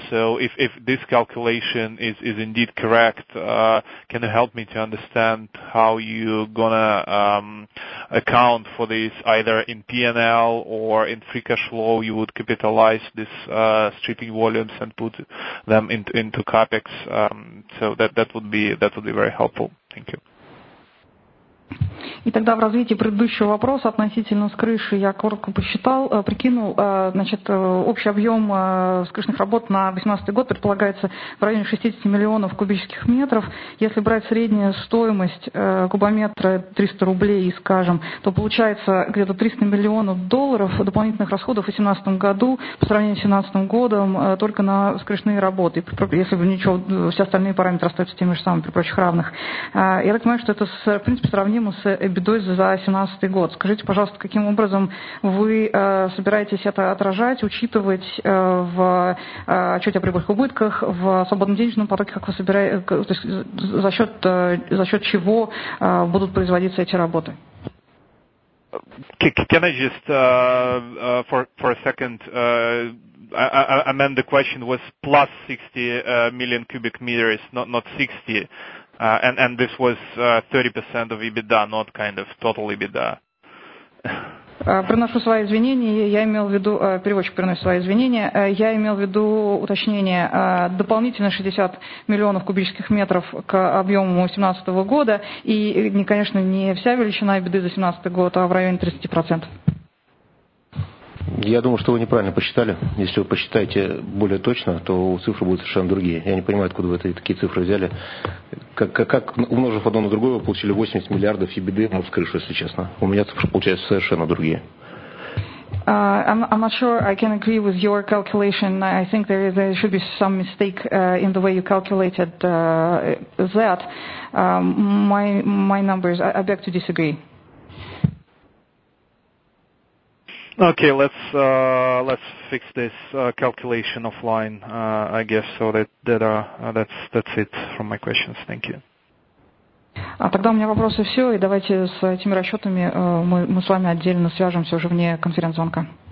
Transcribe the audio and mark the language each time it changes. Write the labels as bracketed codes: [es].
[en] So if this calculation is indeed correct, can you help me to understand how you're gonna account for this either in P&L or in free cash flow? You would capitalize this stripping volumes and put them into CapEx. So that would be very helpful. Thank you. [ru] И тогда в развитии предыдущего вопроса относительно вскрыши я коротко посчитал, прикинул, значит, общий объем вскрышных работ на 2018 год предполагается в районе 60 миллионов кубических метров. Если брать среднюю стоимость кубометра 300 рублей, скажем, то получается где-то 300 миллионов долларов дополнительных расходов в 2018 году по сравнению с 2017 годом только на вскрышные работы, если бы ничего, все остальные параметры остаются теми же самыми, при прочих равных. Я так понимаю, что это, в принципе, сравнимо с EBITDA за 2017 год. Скажите, пожалуйста, каким образом вы собираетесь это отражать, учитывать в отчете о прибыльных убытках, в свободном денежном потоке, как вы собираете, то есть за счет чего будут производиться эти работы? [en] Can I just for a second amend the question? Was plus 60 million cubic meters, not 60. And this was 30% of EBITDA, not kind of total EBITDA. [ru] Приношу свои извинения, я имел в виду, переводчик приносит свои извинения, я имел в виду уточнение, дополнительно 60 миллионов кубических метров к объему 2017 года, и, конечно, не вся величина EBITDA за 2017 год, а в районе 30%. Я думаю, что вы неправильно посчитали. Если вы посчитаете более точно, то цифры будут совершенно другие. Я не понимаю, откуда вы такие цифры взяли. Как умножив одно на другое, вы получили 80 миллиардов EBITDA на вскрышу, если честно. У меня цифры получаются совершенно другие. [en] I'm not sure I can agree with your calculation. I think there should be some mistake in the way you calculated that. My numbers, I beg to disagree. Okay, let's fix this calculation offline, I guess, so that's it from my questions. Thank you. [ru] А тогда у меня вопросы все, и давайте с этими расчетами мы с вами отдельно свяжемся уже вне конференц-звонка.